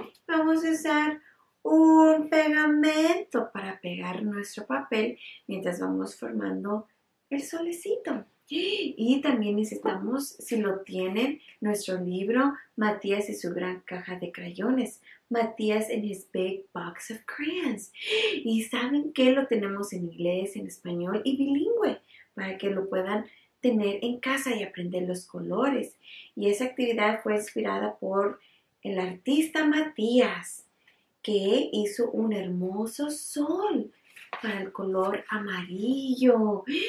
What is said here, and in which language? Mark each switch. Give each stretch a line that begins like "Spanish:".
Spanish: Vamos a usar un pegamento para pegar nuestro papel mientras vamos formando el solecito. Y también necesitamos, si lo tienen, nuestro libro Matías y su gran caja de crayones.
English: Matías and his big box of crayons.
Spanish: Y saben que lo tenemos en inglés, en español y bilingüe para que lo puedan tener en casa y aprender los colores. Y esa actividad fue inspirada por el artista Matías, que hizo un hermoso sol para el color amarillo.